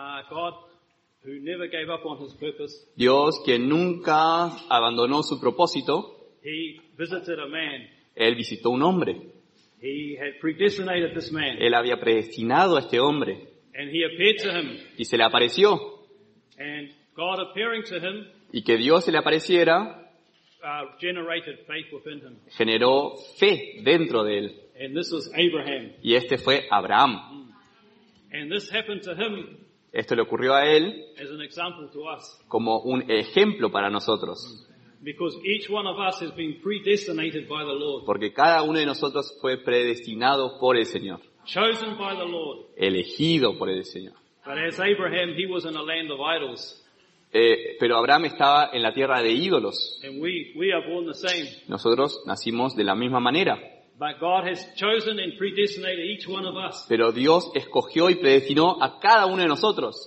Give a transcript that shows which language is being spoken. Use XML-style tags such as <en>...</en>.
<en>God, who never gave up on his purpose,</en> <es>Dios, quien nunca abandonó su propósito,</es> <en>he visited a man.</en> <es>Él visitó un hombre.</es> <en>He had predestinated this man.</en> <es>Él había predestinado a este hombre.</es> <en>And he appeared to him.</en> <es>Y se le apareció.</es> <en>And God appearing to him,</en> <es>y que Dios se le apareciera,</es> <en>generated faith within him.</en> <es>Generó fe dentro de él.</es> <en>And this was Abraham.</en> <es>Y este fue Abraham.</es> <en>And this happened to him.</en> <es>Esto le ocurrió a él</es> <en>as an example to us.</en> <es>Como un ejemplo para nosotros.</es> <en>Because each one of us has been predestinated by the Lord.</en> <es>Porque cada uno de nosotros fue predestinado por el Señor.</es> <en>Chosen by the Lord.</en> <es>Elegido por el Señor.</es> <en>But as Abraham, he was in a land of idols.</en> <es>Pero Abraham estaba en la tierra de ídolos.</es> <en>And we are born the same.</en> <es>Nosotros nacimos de la misma manera.</es> <en>But God has chosen and predestinated each one of us.</en> <es>Pero Dios escogió y predestinó a cada uno de nosotros.</es>